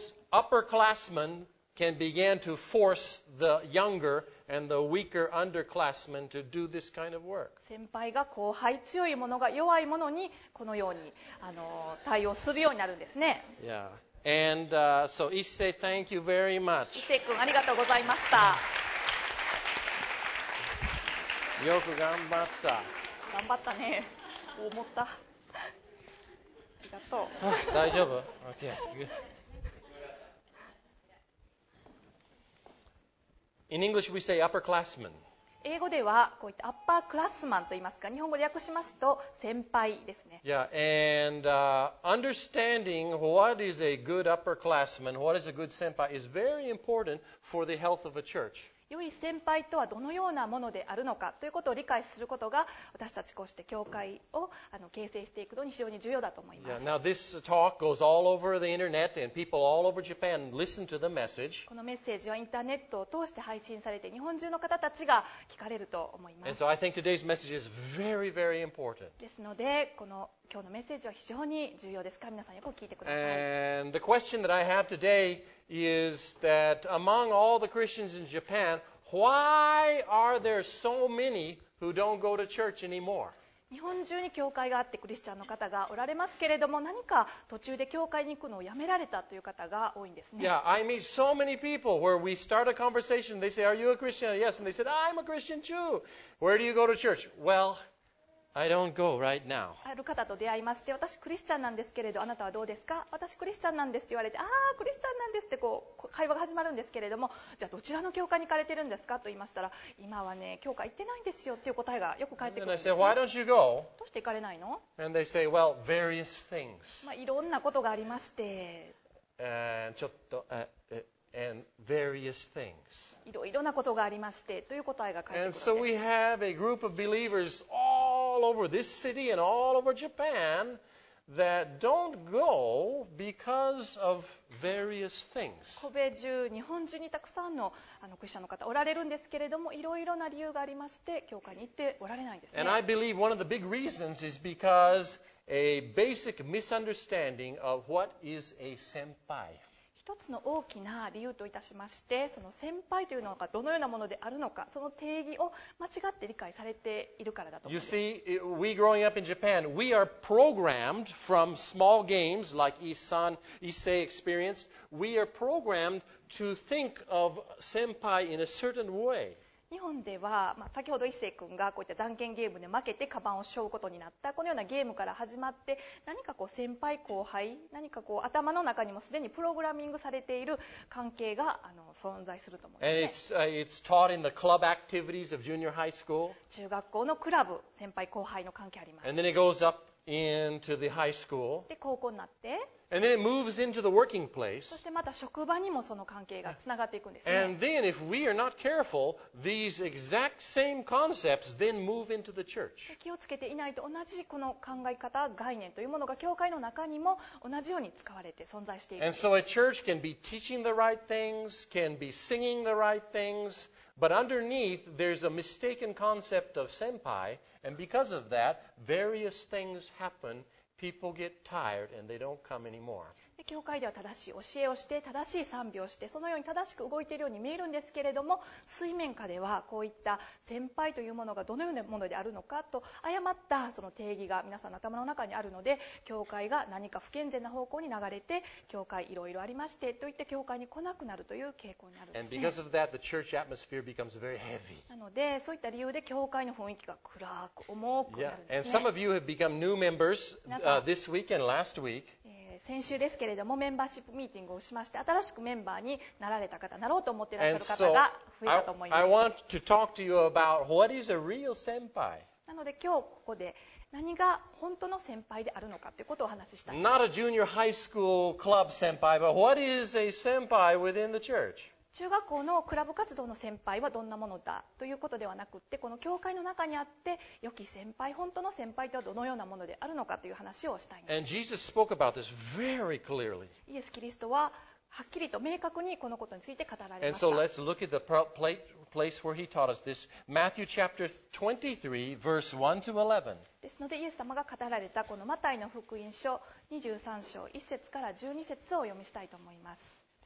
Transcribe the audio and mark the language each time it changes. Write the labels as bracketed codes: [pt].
[en] Upperclassmen can begin to force the younger and the weaker underclassmen to do this kind of work. [ja] 先輩が後輩、強い者が弱い者にこのように対応するようになるんですね。 [en] Yeah. And, so, Issei, thank you very much. [ja] 伊勢君、ありがとうございました。よく頑張った。頑張ったね。思った。ありがとう。大丈夫?OK。 [en] In English, we say upperclassmen. [ja] 英語ではこういったアッパークラスマンと言いますか、日本語で訳しますと先輩ですね。 [en] Yeah, and understanding what is a good upperclassman, what is a good 先輩 is very important for the health of a church. [ja] 良い先輩とはどのようなものであるのかということを理解することが私たちこうして教会を形成していくのに非常に重要だと思います。 [en] Yeah, now this talk goes all over the internet and people all over Japan listen to the message. [ja] このメッセージはインターネットを通して配信されて日本中の方たちが聞かれると思います。 [en] And so I think today's message is very, very important. [ja] ですのでこの今日のメッセージは非常に重要ですから皆さんよく聞いてください。 [en] And the question that I have today is that among all the Christians in Japan, why are there so many who don't go to church anymore? [ja] 日本中に教会があってクリスチャンの方がおられますけれども、何か途中で教会に行くのをやめられたという方が多いんですね。 [en] Yeah, I meet so many people where we start a conversation. They say, "Are you a Christian?" Yes, and they said, "I'm a Christian too." Where do you go to church? Well. I don't go right now. [ja] ある方と出会いまして、私クリスチャンなんですけれど、あなたはどうですか？私クリスチャンなんですって言われて、ああクリスチャンなんですってこう会話が始まるんですけれども、じゃあどちらの教会に行かれてるんですかと言いましたら、今はね教会行ってないんですよっていう答えがよく返ってくるんですよ。 [en] And I say, why don't you go? [ja] どうして行かれないの？ [en] And they say, well, various things. [ja] まあいろんなことがありまして、ちょっと、 [en] and various things. [ja] いろいろなことがありましてという答えが書いてあります。 [en] And so we have a group of believers all over this city and all over Japan that don't go because of various things. [ja] 神戸中、日本中にたくさんのクリスチャンの方おられるんですけれども、いろいろな理由がありまして教会に行っておられないんですね。 [en] And I believe one of the big reasons is because a basic misunderstanding of what is a senpai. [ja] 一つの大きな理由といたしまして、その先輩というのがどのようなものであるのか、その定義を間違って理解されているからだと思います。 [en] You see, we growing up in Japan, we are programmed from small games like Isan, Issei experience. We are programmed to think of 先輩 in a certain way. [ja] 日本では、まあ、先ほど一星君がこういったじゃんけんゲームで負けてカバンを背負うことになった、このようなゲームから始まって、何かこう先輩後輩、何かこう頭の中にもすでにプログラミングされている関係が存在すると思うんですね。 [en] It's taught in the club activities of junior high school. [ja] 中学校のクラブ、先輩後輩の関係あります。 [en] And then it goes up into the high school. [ja] で高校になって、 [en] And then it moves into the working place. [ja] そしてまた職場にもその関係がつながっていくんですね。 [en] And then if we are not careful, these exact same concepts then move into the church. [ja] 気をつけていないと同じこの考え方、概念というものが教会の中にも同じように使われて存在しているんです。 [en] And so a church can be teaching the right things, can be singing the right things, but underneath there's a mistaken concept of senpai, and because of that, various things happen. People get tired and they don't come anymore. [ja] 教会では正しい教えをして、正しい賛美をして、そのように正しく動いているように見えるんですけれども、水面下ではこういった先輩というものがどのようなものであるのかと誤ったその定義が皆さんの頭の中にあるので、教会が何か不健全な方向に流れて、教会いろいろありましてといって教会に来なくなるという傾向にあるんですね。 [en] And because of that, the church atmosphere becomes very heavy. [ja] なのでそういった理由で教会の雰囲気が暗く重くなるんですね。 [en] Yeah. And some of you have become new members, this week and last week. [ja] 先週ですけれども、メンバーシップミーティングをしまして、新しくメンバーになられた方、なろうと思っていらっしゃる方が増えたと思います。 [en] I want to talk to you about what is a real senpai. [ja] なので今日ここで何が本当の先輩であるのかということをお話ししたい。 [en] Not a junior high school club senpai, but what is a senpai within the church? [ja] 中学校のクラブ活動の先輩はどんなものだということではなくって、この教会の中にあって良き先輩、本当の先輩とはどのようなものであるのかという話をしたいんです。 [en] And Jesus spoke about this very clearly. [ja] イエス・キリストははっきりと明確にこのことについて語られました。 [en] And so let's look at the place where he taught us this. Matthew chapter 23 verse 1 to 11. [ja] ですのでイエス様が語られたこのマタイの福音書23章1節から12節を読みしたいと思います。